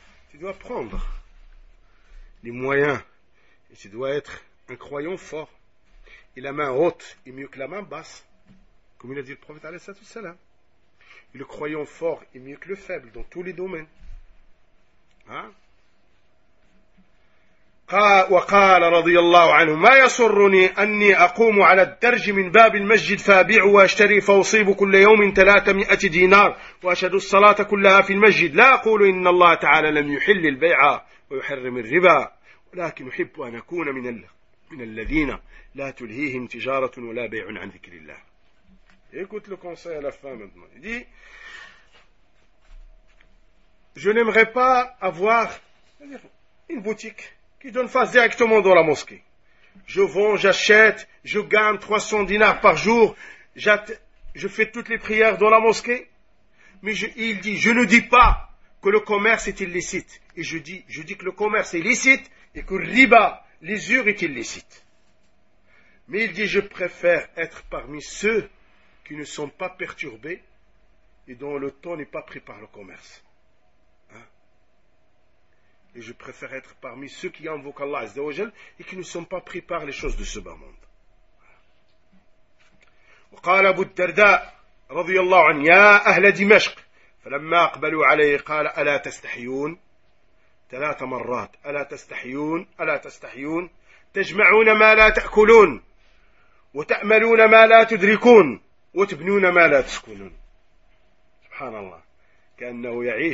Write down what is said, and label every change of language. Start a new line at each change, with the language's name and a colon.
French: Tu dois prendre les moyens. Et tu dois être un croyant fort. Et la main haute est mieux que la main basse. Comme il a dit le prophète alayhi salatu wassalam. Et le croyant fort est mieux que le faible dans tous les domaines. Hein?
Arabic: وقال رضي الله عنه ما يسرني أني أقوم على الدرج من باب المسجد فأبيع وأشتري فأصيب كل يوم 300 دينار وأشهد الصلاة كلها في المسجد لا أقول إن الله تعالى لم يحل البيع ويحرم الربا ولكن أحب أن أكون من الذين لا تلهيهم تجارة ولا بيع عن ذكر الله
French: écoute le conseil à la fin maintenant. Il dit, je n'aimerais pas avoir une boutique qui donne face directement dans la mosquée. je vends, j'achète, je gagne 300 dinars par jour, je fais toutes les prières dans la mosquée. Mais je ne dis pas que le commerce est illicite. Et je dis que le commerce est licite et que riba, l'usure, est illicite. Mais il dit, je préfère être parmi ceux qui ne sont pas perturbés et dont le temps n'est pas pris par le commerce. Hein? Et je préfère être parmi ceux qui invoquent Allah Azzawajal et qui ne sont pas pris par les choses de ce bas monde.
Arabic: وقال أبو الدرداء رضي الله عنه يا أهل دمشق فلما أقبلوا عليه قال ألا تستحيون ثلاث مرات ألا تستحيون ألا تستحيون تجمعون ما لا تأكلون وتأملون ما لا تدركون وتبنون ما لا تسكنون سبحان الله كأنه